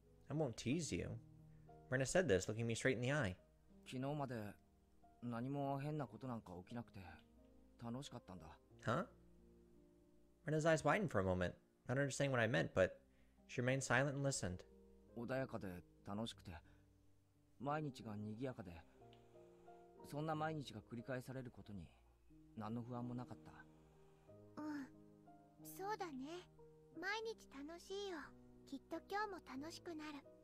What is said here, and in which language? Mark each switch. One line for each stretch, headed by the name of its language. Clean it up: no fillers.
English: I won't tease you. Marina said this, looking me straight in the eye.
Japanese: 昨日まで何も変なことなんか起きなくて楽しかったんだ.
English: Huh? Marina's eyes widened for a moment, not understanding what I meant, but she remained silent and listened.
Japanese: 穏やかで楽しくて毎日が賑やかでそんな毎日が繰り返されることに何の不安もなかった. うん、そうだね。毎日楽しいよ。きっと今日も楽しくなる.